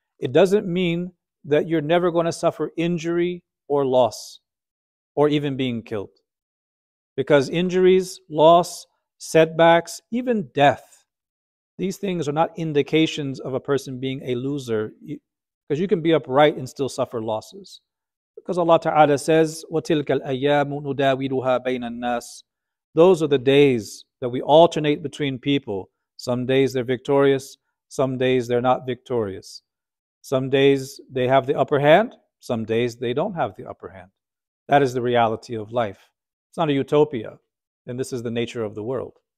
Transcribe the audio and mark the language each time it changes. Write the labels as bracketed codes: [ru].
[en] It doesn't mean that you're never going to suffer injury or loss, or even being killed. Because injuries, loss, setbacks, even death, these things are not indications of a person being a loser. Because you can be upright and still suffer losses. Because Allah Ta'ala says, [ar] وَتِلْكَ الْأَيَّامُ نُدَاوِلُهَا بَيْنَ النَّاسِ. [en] Those are the days that we alternate between people. Some days they're victorious, some days they're not victorious. Some days they have the upper hand, some days they don't have the upper hand. That is the reality of life. It's not a utopia, and this is the nature of the world.